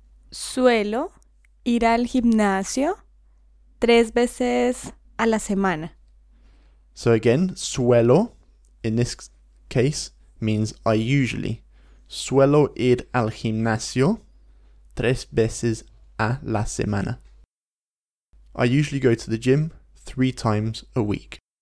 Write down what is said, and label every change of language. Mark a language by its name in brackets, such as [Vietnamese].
[Spanish] Suelo ir al gimnasio tres veces a la semana. [English] So again, suelo in this case means I usually. [Spanish] Suelo ir al gimnasio tres veces a la semana. [English] I usually go to the gym 3 times a week.